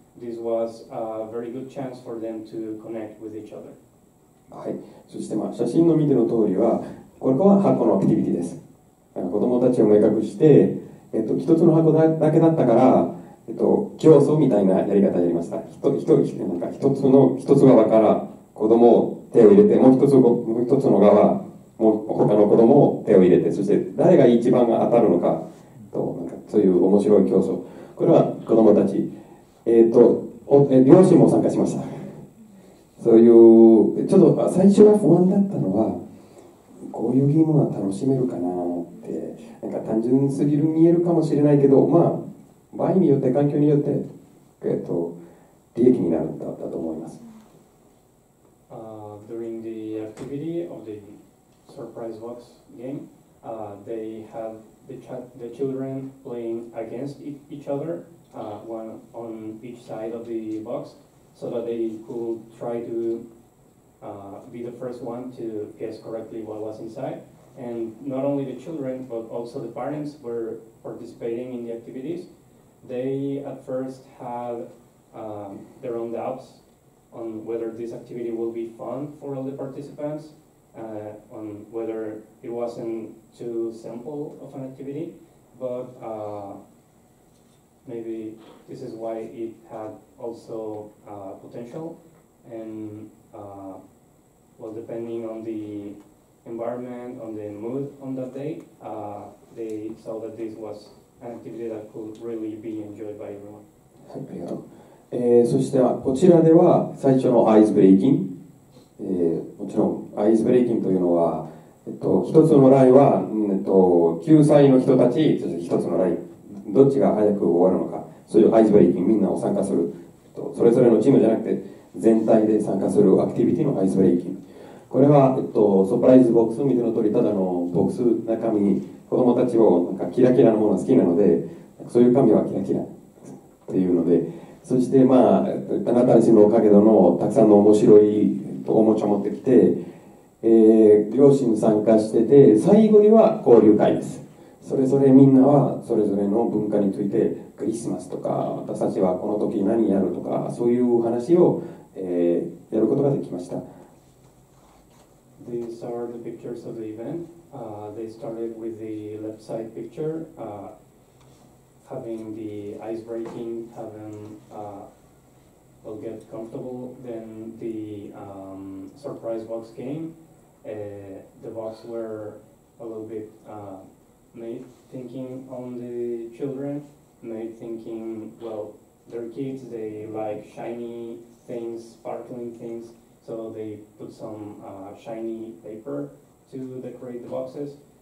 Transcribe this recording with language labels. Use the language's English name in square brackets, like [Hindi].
[English] This was a very good chance for them to connect with each other. [Japanese] はい、そして、まあ、写真の見ての通りは、これは箱のアクティビティです。子供たちを目隠して、一つの箱だけだったから、競争みたいなやり方をやりました。なんか一つ側から子供を手を入れて、もう一つの側、もう他の子供を手を入れて、そして誰が一番当たるのか、なんかそういう面白い競争。これは子供たち。両親も参加しました。そういう、ちょっと最初は不安だったのは、こういうゲームは楽しめるかなって、なんか単純すぎる見えるかもしれないけど、まあ、場合によって、環境によって、利益になるんだと思います。 [English] During the activity of the surprise box game, they had the children playing against each other, one on each side of the box, so that they could try to be the first one to guess correctly what was inside. And not only the children, but also the parents were participating in the activities. They at first had their own doubts on whether this activity will be fun for all the participants, on whether it wasn't too simple of an activity, but maybe this is why it had also potential. And well, depending on the environment, on the mood on that day, they saw that this was an activity that could really be enjoyed by everyone. [Japanese] そしてこちらでは最初のアイスブレイキン、もちろんアイスブレイキンというのは、一つのラインは、救済の人たち、そして一つのラインどっちが早く終わるのか、そういうアイスブレイキン、みんなを参加する、それぞれのチームじゃなくて全体で参加するアクティビティのアイスブレイキン、これは、サプライズボックスを見ての通り、ただのボックス中身に子供たちをなんかキラキラのものが好きなので、そういう紙はキラキラというので、そして、まあ、あなたたちのおかげでのたくさんの面白いおもちゃを持ってきて、両親参加してて、最後には交流会です。それぞれみんなはそれぞれの文化について、クリスマスとか私たちはこの時何やるとか、そういう話を、やることができました。 [English] These are the pictures of the event. They started with the left side picture, having the ice breaking, having well, get comfortable, then the surprise box game. The box were a little bit made thinking on the children, made thinking, well, they're kids, they like shiny things, sparkling things, so they put some shiny paper to decorate the boxes.